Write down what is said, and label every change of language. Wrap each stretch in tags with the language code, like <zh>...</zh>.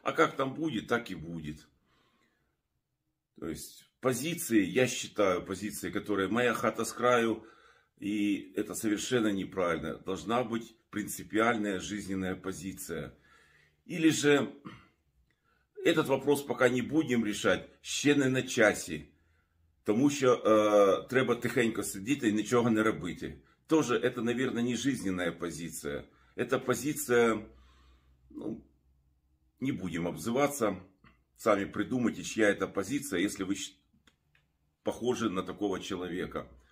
<ru>А как там будет, так и будет. То есть позиции, я считаю, позиции, которые «моя хата с краю», и это совершенно неправильно. Должна быть принципиальная жизненная позиция. Или же этот вопрос пока не будем решать.</ru> <uk>Ще не на часі. Тому що треба тихенько сидіти і нічого не робити.</uk> <ru>Тоже это, наверное, не жизненная позиция. Это позиция, ну, не будем обзываться. Сами придумайте, чья это позиция, если вы похожи на такого человека.</ru>